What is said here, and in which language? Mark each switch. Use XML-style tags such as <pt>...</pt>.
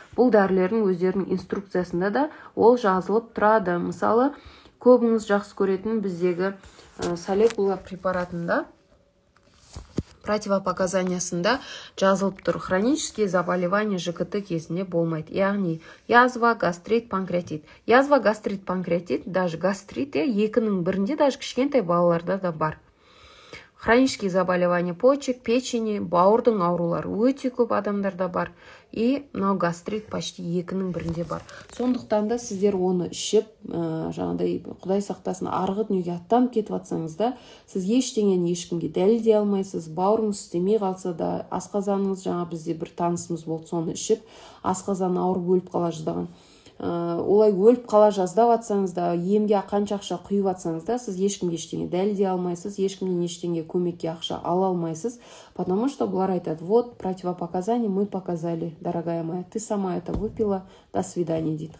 <kk>Бұл дәрілердің өздерінің инструкциясында да ол жазылып тұрады. Мысалы, көбіңіз жақсы көретін біздегі салекула препаратында противопоказаниясында жазылып тұр.</kk> <ru>Хронические заболевания ЖКТ</ru> <kk>кезінде болмайды. Яғни язва, гастрит, панкреатит. Язва, гастрит, панкреатит, даже гастрит, екінің бірінде, даже кішкентай балаларда да бар.</kk> <ru>Хронические заболевания почек, печени,</ru> <kk>бауырдың аурулары өте көп адамдарда бар. И мынау гастрит почти екінің бірінде бар. Сондықтан да сіздер оны ішіп, жаңағыдай құдай сақтасын арғы дүниеге аттанып кетіп атсаңыз да, сіз ештеңені ешкімге дәлелдей алмайсыз. Бауырыңыз істемей қалса да, асқазаныңыз, жаңа бізде бір танысымыз болды, соны ішіп асқазаны ауырып өліп қала жаздаған. Олай өліп қала жаздап атсаңыз да, емге қанша ақша құйып атсаңыз да, сіз ешкімге ештеңе дәлелдей алмайсыз, ешкімнен ештеңе көмекке ақша ала алмайсыз.</kk> <ru>Потому что</ru> <kk>бұлар айтады,</kk> <ru>вот противопоказания мы показали, дорогая моя, ты сама это выпила, до свидания,</ru> <kk>дейді.</kk>